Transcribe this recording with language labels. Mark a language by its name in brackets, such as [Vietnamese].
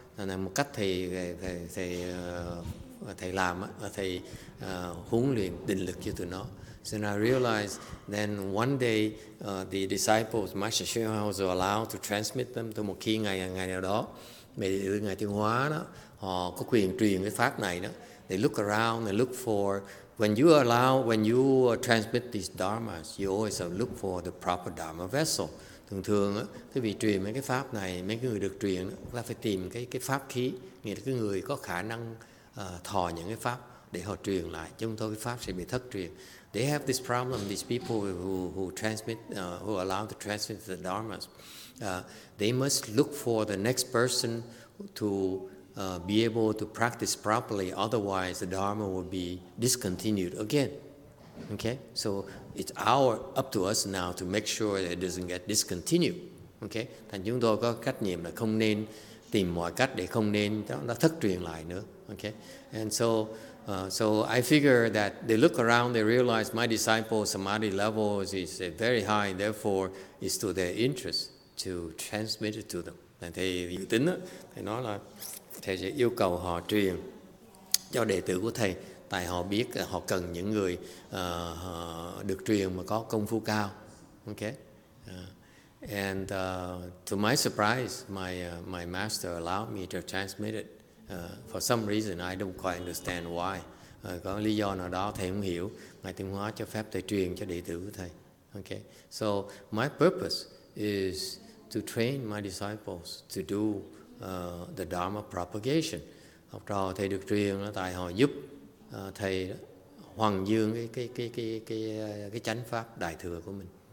[Vietnamese] Nên là một cách thầy làm, thầy huấn luyện định lực cho tụi nó. [English] So I realized then one day the disciples, Master Schoenhauser, allowed to transmit them to [Vietnamese] một khi ngày nào đó, ngày Tiên Hóa đó, họ có quyền truyền cái pháp này đó. [English] They look around, they look for when you transmit these dharmas, you always look for the proper dharma vessel. [Vietnamese] Thường thường cái vị truyền mấy cái pháp này, mấy cái người được truyền là phải tìm cái pháp khí, nghĩa là cái người có khả năng thọ những cái pháp để họ truyền lại. Chúng tôi cái pháp sẽ bị thất truyền. [English] They have this problem. These people who transmit, who allow to transmit the dharmas, they must look for the next person to be able to practice properly. Otherwise, the dharma will be discontinued again. Okay, so it's our up to us now to make sure that it doesn't get discontinued. [Vietnamese] Okay, thành chúng tôi có trách nhiệm là không nên tìm mọi cách để không nên nó thất truyền lại nữa. [English] Okay, and so. So I figure that they look around, they realize my disciple's samadhi level is very high, and therefore it's to their interest to transmit it to them. [Vietnamese] And thầy dự tính đó, thầy nói là thầy sẽ yêu cầu họ truyền cho đệ tử của thầy, tại họ biết họ cần những người được truyền mà có công phu cao. [English] Okay. And to my surprise, my master allowed me to transmit it. For some reason, I don't quite understand why. [Vietnamese] Có lý do nào đó thầy không hiểu. Ngài Tịnh Hóa cho phép thầy truyền cho đệ tử của thầy. Okay. [English] So my purpose is to train my disciples to do the Dharma propagation. [Vietnamese] Học trò thầy được truyền là tại họ giúp thầy hoằng dương cái chánh pháp đại thừa của mình.